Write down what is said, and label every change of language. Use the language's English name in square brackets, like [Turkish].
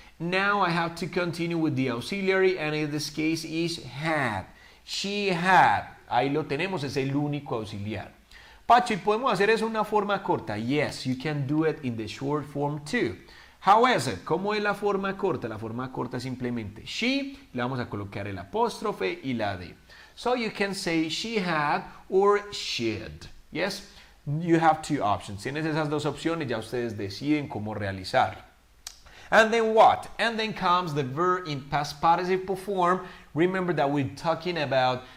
[English] Now I have to continue with the auxiliary and in this case is had. She had. [Spanish] Ahí lo tenemos, es el único auxiliar. Pacho, ¿y podemos hacer eso en una forma corta? [English] Yes, you can do it in the short form too. How is it? [Spanish] ¿Cómo es la forma corta? La forma corta es simplemente she. Le vamos a colocar el apóstrofe y la de. [English] So you can say she had or should. Yes, you have two options. [Spanish] Tienes esas dos opciones, ya ustedes deciden cómo realizar. [English] And then what? And then comes the verb in past participle form. Remember that we're talking about